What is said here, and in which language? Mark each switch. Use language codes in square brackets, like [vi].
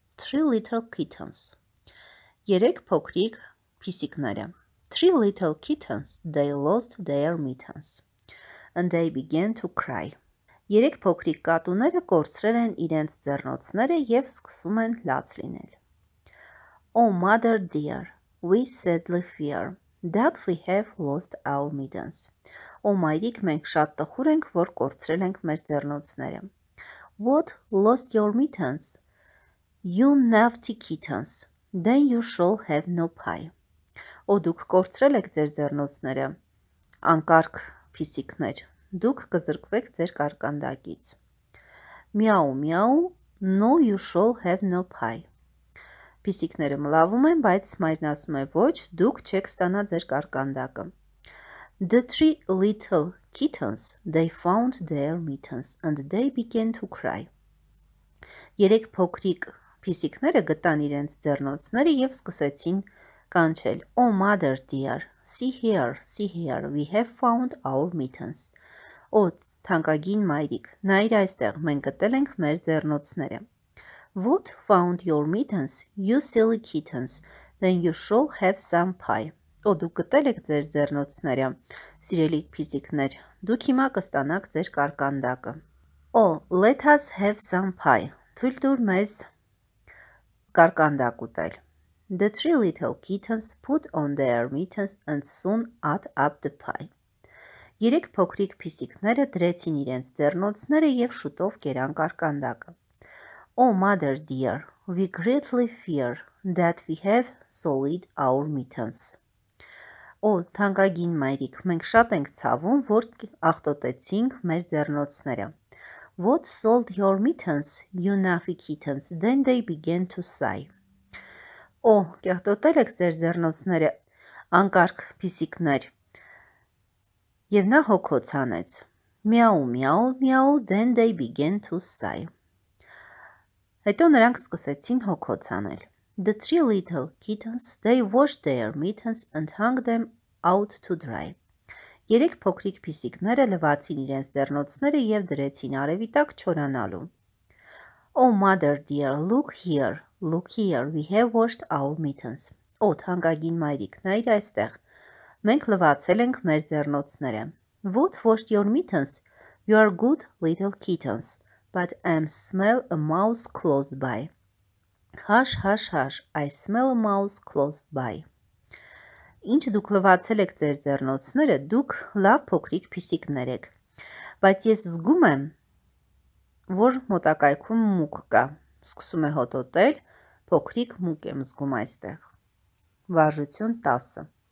[en] Three little kittens. [hy] Երեք փոքրիկ փիսիկները. [en] Three little kittens, they lost their mittens. And they began to cry. [hy] Երեք փոքրիկ կատուները կորցրել են իրենց ձեռնոցները եւ սկսում են լաց լինել. [en] Oh mother dear, we sadly fear that we have lost our mittens. [hy] Oh mayrik, մենք շատ տխուր ենք, որ կորցրել ենք մեր ձեռնոցները. [en] What lost your mittens? You naughty kittens, then you shall have no pie. [hy] Օ դուք կորցրել եք ձեր ձեռնոցները, անկարգ փիսիկներ, դուք կզրկվեք ձեր կարկանդակից. [en] Միաու, միաու, no you shall have no pie. [hy] Փիսիկները մլավում են, բայց մայրն ասում է, ոչ, դուք չեք ստանա ձեր կարկանդակը. [en] The three little kittens, they found their mittens and they began to cry. [hy] Երեք փոքրիկ փիսիկները գտան իրենց ձեռնոցները եւ սկսեցին կանչել. [en] Oh mother dear, see here, we have found our mittens. [hy] Օ, թանկագին մայրիկ, նայր այստեղ, մենք գտել ենք մեր ձեռնոցները. [en] What found your mittens, you silly kittens? Then you shall have some pie. [hy] Օ, դուք գտել եք ձեր ձեռնոցները, սիրելի փիսիկներ, դուք հիմա կստանաք ձեր կարկանդակը. [en] Oh, let us have some pie. [hy] Թույլ տուր մեզ կարկանդակ ուտել. [en] The three little kittens put on their mittens and soon ate up the pie. [hy] Երեք փոքրիկ փիսիկները դրեցին իրենց ձեռնոցները եւ շուտով կերան կարկանդակը. [en] Oh mother dear, we greatly fear that we have sullied our mittens. [hy] Օ, թանկագին մայրիկ, մենք շատ ենք ցավում, որ աղտոտեցինք մեր ձեռնոցները. [en] What sold your mittens, you naughty kittens? Then they began to sigh. [hy] Օ, կյատոտել եք ձեր ձեռնոցները, անկարգ փիսիկներ, եւ նա հոգոց անեց. [en] Միաու, միաու, միաու, then they began to sigh. [hy] Հետո նրանք սկսեցին հոգոց անել. [en] The three little kittens, they washed their mittens and hung them out to dry. [hy] Երեք փոքրիկ փիսիկները լվացին իրենց ձեռնոցները եւ դրեցին արևի տակ չորանալու. [en] Oh mother dear, look here. Look here, we have washed our mittens. [hy] Օ, թանկագին մայրիկ, նայր այստեղ, մենք լվացել ենք մեր ձեռնոցները. [en] What washed your mittens? You are good little kittens, but I smell a mouse close by. Hush, hush, hush, I smell a mouse close by. [hy] Ինչ դուք լվացել եք ձեր ձեռնոցները, դուք լավ փոքրիկ փիսիկներ եք, բայց ես զգում եմ, որ մոտակայքում մուկ կա. Սկսում է հոտոտել, փոքրիկ մուկ եմ զգում այստեղ։ Վարժություն 10.